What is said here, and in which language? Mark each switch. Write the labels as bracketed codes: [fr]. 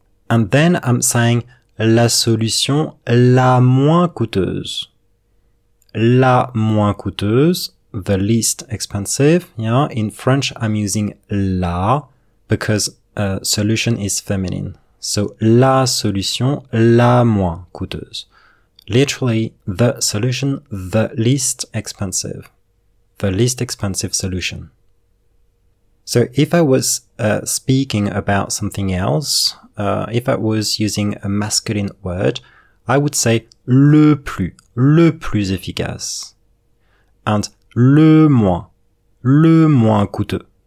[en] And then I'm saying [fr] la solution la moins coûteuse. La moins coûteuse, [en] the least expensive. Yeah, in French, I'm using la because solution is feminine. [fr] So la solution la moins coûteuse. [en] Literally, the solution, the least expensive. The least expensive solution. So if I was speaking about something else, if I was using a masculine word, I would say [fr] le plus efficace, [en] and [fr] le moins coûteux.